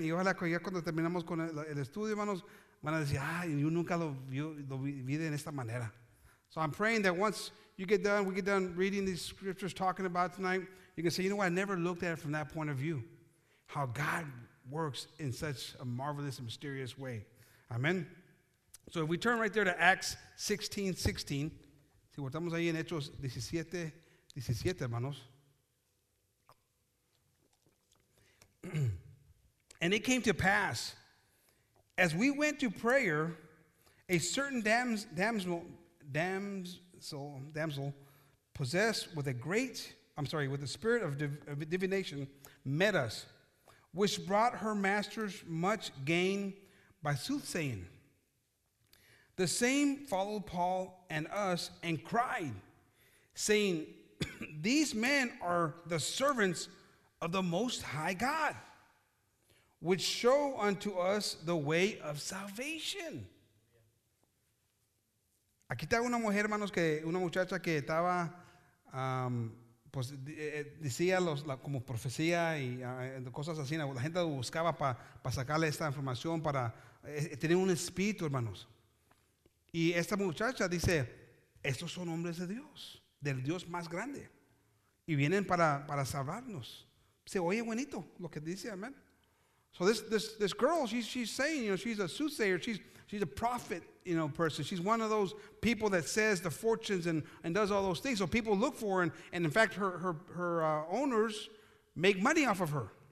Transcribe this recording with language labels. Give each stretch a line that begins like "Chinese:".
Spanish: Y ojalá que ya cuando terminamos con el estudio, hermanos, van a decir, ah, yo nunca lo vi de esta manera.
English: So I'm praying that once we get done reading these scriptures talking about tonight, you can say, you know what, I never looked at it from that point of view, how God works in such a marvelous and mysterious way. Amén. So if we turn right there to Acts 16:16,
Spanish: si voltamos ahí en Hechos 17:17, hermanos.
English: And it came to pass, as we went to prayer, a certain damsel possessed with the spirit of divination met us, which brought her masters much gain by soothsaying. The same followed Paul and us and cried, saying, these men are the servants of the Most High God, which show unto us the way of salvation.
Spanish: Aquí está una mujer, hermanos, que una muchacha que estaba, pues decía como profecía y cosas así. La gente lo buscaba para sacarle esta información, para tener un espíritu, hermanos. Y esta muchacha dice, estos son hombres de Dios, del Dios más grande. Y vienen para salvarnos. Se oye bonito lo que dice, amen.
English: So this girl, she's saying, you know, she's a soothsayer. She's a prophet, you know, person. She's one of those people that says the fortunes and does all those things. So people look for her, and in fact, her owners make money off of her.